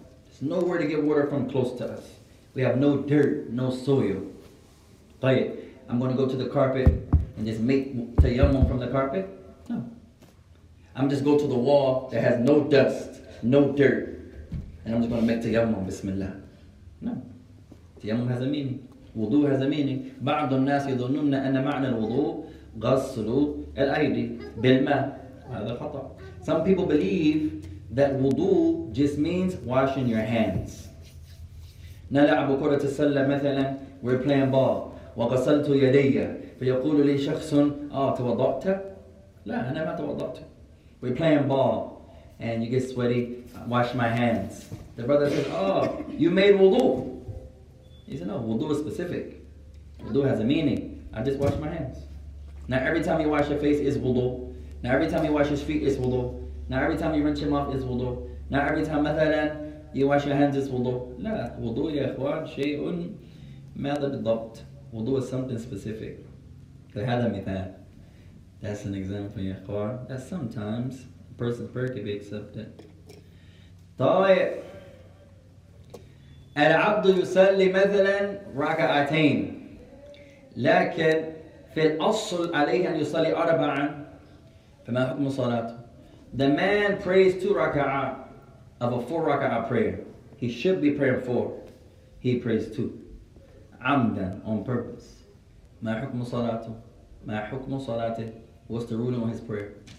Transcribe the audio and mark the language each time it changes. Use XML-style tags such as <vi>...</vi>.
<en>There's nowhere to get water from close to us. We have no dirt, no soil. طيب, I'm going to go to the carpet and just make tayammum from the carpet? No. I'm just going to the wall that has no dust, no dirt, and I'm just going to make tayammum, bismillah. No. Tayammum has a meaning. Wudu has a meaning.</en> <ar>بعض الناس يظنون أن معنى الوضوء غسل الأيدي بالماء. هذا خطأ.</ar> <en>Some people believe that wudu just means washing your hands.</en> <ar>نلعب كرة السلة مثلا,</ar> <en>we're playing ball.</en> <ar>وغسلت يدي فيقول لي شخص توضأت؟ لا أنا ما توضأت.</ar> <en>We're playing ball and you get sweaty, wash my hands. The brother says, you made wudu. He said, no, wudu is specific. Wudu has a meaning. I just wash my hands. Now every time you wash your face is wudu. Now every time you wash your feet is wudu. Now every time you rinse your mouth is wudu. Now every time مثلا you wash your hands is wudu.</en> <ar>لا, wudu يا إخوان شيء ماذا بالضبط.</ar> <en>Wudu is something specific.</en> <ar>هذا مثال.</ar> <en>That's an example,</en> <ar>يا إخوان.</ar> <en>That sometimes a person's prayer can be accepted.</en> <ar>طيب. العبد يصلي مثلا ركعتين لكن في الأصل عليه أن يصلي أربعا فما حكم صلاته؟</ar> <en>The man prays two ركعات of a four ركعات prayer. He should be praying four. He prays two. عمدا on purpose.</en> <ar>ما حكم صلاته؟ ما حكم صلاته؟</ar> <en>What's the ruling on his prayer?</en>